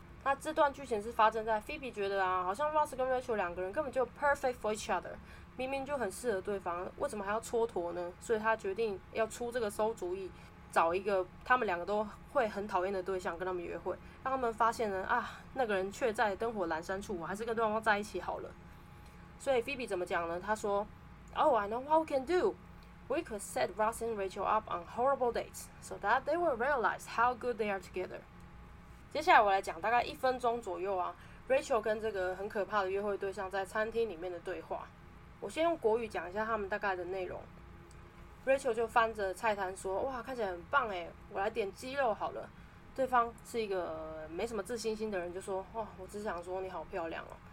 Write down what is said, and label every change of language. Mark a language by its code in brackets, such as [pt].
[zh] 那这段剧情是发生在 Phoebe 觉得啊，好像 Ross 跟 Rachel 两个人根本就 [en] perfect for each other， [zh] 明明就很适合对方，为什么还要蹉跎呢？所以他决定要出这个馊主意，找一个他们两个都会很讨厌的对象跟他们约会，让他们发现呢啊，那个人却在灯火阑珊处，我还是跟对方在一起好了。所以 Phoebe 怎么讲呢？他说 [en] ，Oh, I know what we can do. We could set Ross and Rachel up on horrible dates so that they will realize how good they are together. [zh] 接下来我来讲大概一分钟左右啊 ，Rachel 跟这个很可怕的约会对象在餐厅里面的对话。我先用国语讲一下他们大概的内容。Rachel 就翻着菜单说：“哇，看起来很棒哎，我来点鸡肉好了。” 对方是一个没什么自信心的人，就说：“哇，我只想说你好漂亮哦。